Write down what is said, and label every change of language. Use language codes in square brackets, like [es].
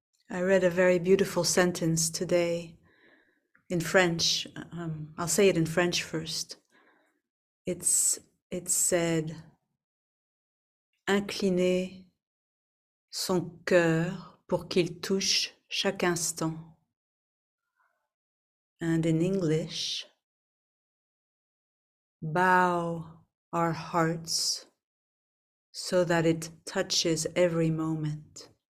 [en] I read a very beautiful sentence today in French. I'll say it in French first. It said, [fr] incliner son cœur pour qu'il touche chaque instant. [en] And in English, bow our hearts so that it touches every moment.